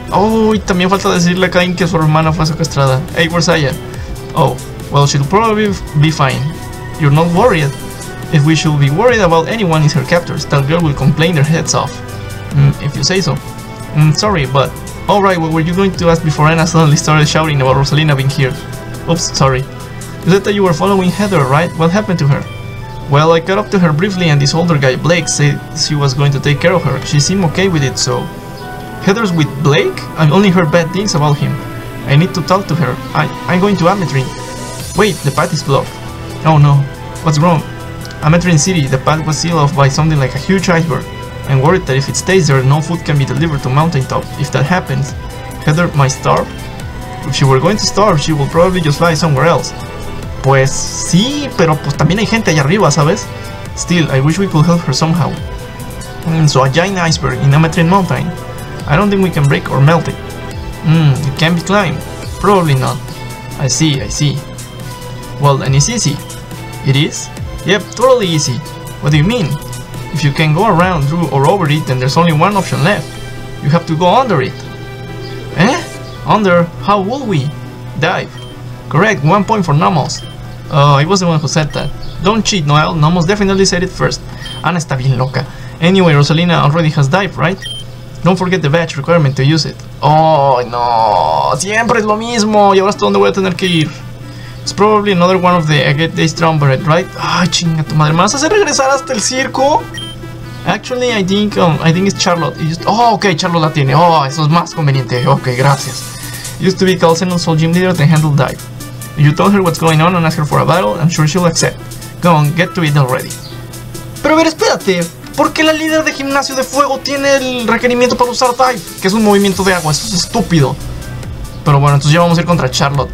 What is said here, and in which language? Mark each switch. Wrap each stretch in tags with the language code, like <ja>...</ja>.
<es>Oh, y también falta decirle a Kain que su hermana fue secuestrada.</es> <en>Hey, where's Aya? Oh, well, she'll probably be fine. You're not worried. If we should be worried about anyone is her captors, that girl will complain their heads off. If you say so. Sorry, but... Alright, what were you going to ask before Anna suddenly started shouting about Rosalina being here? Oops, sorry. You said that you were following Heather, right? What happened to her? Well, I caught up to her briefly and this older guy, Blake, said she was going to take care of her. She seemed okay with it, so... Heather's with Blake? I've only heard bad things about him. I need to talk to her. I'm going to Ametrine. Wait, the path is blocked. Oh no. What's wrong? Ametrine City, the path was sealed off by something like a huge iceberg. I'm worried that if it stays there, no food can be delivered to Mountaintop. If that happens, Heather might starve. If she were going to starve, she would probably just fly somewhere else.</en> <es>Pues sí, pero pues también hay gente allá arriba, ¿sabes?</es> <en>Still, I wish we could help her somehow. So a giant iceberg in Ametrine Mountain. I don't think we can break or melt it. It can't be climbed. Probably not. I see, I see. Well, then it's easy. It is? Yep, totally easy. What do you mean? If you can go around, through, or over it, then there's only one option left. You have to go under it. Eh? Under? How will we? Dive. Correct, 1 point for Nomos. I was the one who said that. Don't cheat, Noel. Nomos definitely said it first.</en> <es>Ana está bien loca.</es> <en>Anyway, Rosalina already has dived, right? Don't forget the badge requirement to use it.</en> <es>Oh, no. Siempre es lo mismo. ¿Y ahora hasta dónde voy a tener que ir?</es> <en>It's probably another one of the Agate Days Triumvirate, right?</en> <es>Ay, chinga tu madre. ¿Me vas a hacer regresar hasta el circo?</es> <en>Actually, I think it's Charlotte. Oh, ok,</en> <es>Charlotte la tiene. Oh, eso es más conveniente. Ok, gracias.</es> <en>It used to be called Sentinel Soul Gym Leader, the handle died. You told her what's going on and ask her for a battle, I'm sure she'll accept. Go on, get to it already.</en> <es>Pero a ver, espérate. ¿Por qué la líder de gimnasio de fuego tiene el requerimiento para usar Dive? Que es un movimiento de agua, eso es estúpido. Pero bueno, entonces ya vamos a ir contra Charlotte.</es>